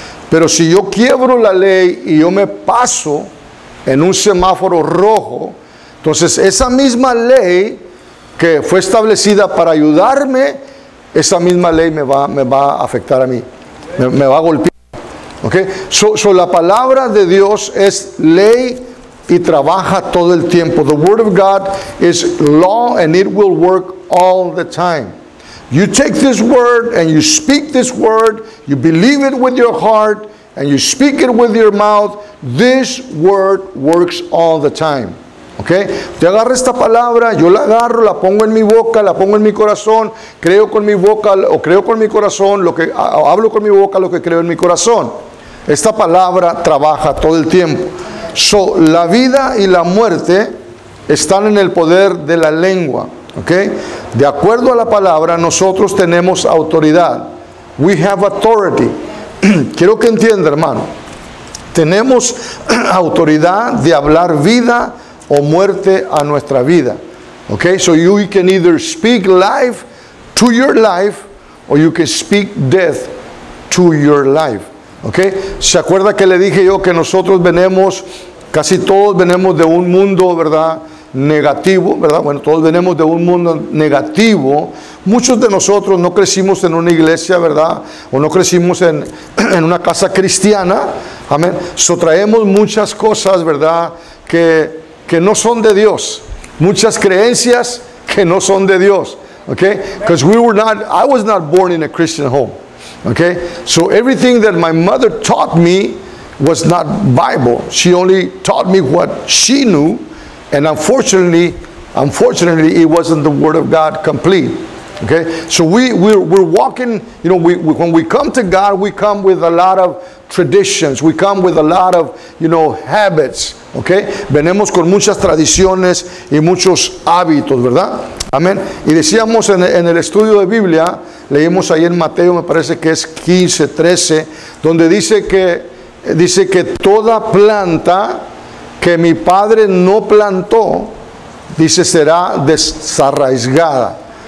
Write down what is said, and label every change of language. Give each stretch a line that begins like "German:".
Spanish: Pero si yo quiebro la ley y yo me paso en un semáforo rojo, entonces esa misma ley que fue establecida para ayudarme, esa misma ley me va a afectar a mí, me va a golpear. Okay. So la palabra de Dios es ley y trabaja todo el tiempo.
English: The word of God is law and it will work all the time. You take this word and you speak this word, you believe it with your heart, and you speak it with your mouth, this word works all the time. Okay?
Spanish: Te agarro esta palabra, yo la agarro, la pongo en mi boca, la pongo en mi corazón, creo con mi boca o creo con mi corazón, lo que hablo con mi boca, lo que creo en mi corazón. Esta palabra trabaja todo el tiempo. So, la vida y la muerte están en el poder de la lengua. Okay? De acuerdo a la palabra, nosotros tenemos autoridad.
English: We have authority.
Spanish: Quiero que entienda, hermano. Tenemos autoridad de hablar vida o muerte a nuestra vida.
English: Okay? So you can either speak life to your life or you can speak death to your life. Okay?
Spanish: ¿Se acuerda que le dije yo que nosotros venimos, casi todos venimos de un mundo, ¿verdad? Negativo, ¿verdad? Bueno, todos venimos de un mundo negativo. Muchos de nosotros no crecimos en una iglesia, ¿verdad? O no crecimos en una casa cristiana. Amén. So, traemos muchas cosas, ¿verdad? Que no son de Dios. Muchas creencias que no son de Dios. Okay?
English: Because we were not, I was not born in a Christian home. Okay? So everything that my mother taught me was not Bible. She only taught me what she knew. And unfortunately, it wasn't the Word of God complete. Okay, so we're walking. You know, we when we come to God, we come with a lot of traditions. We come with a lot of, you know, habits.
Spanish: Okay, venimos con muchas tradiciones y muchos hábitos, ¿verdad? Amén. Y decíamos en el estudio de Biblia, leímos ahí en Mateo, me parece que es 15:13, donde dice que toda planta que mi padre no plantó, dice, será desarraigada.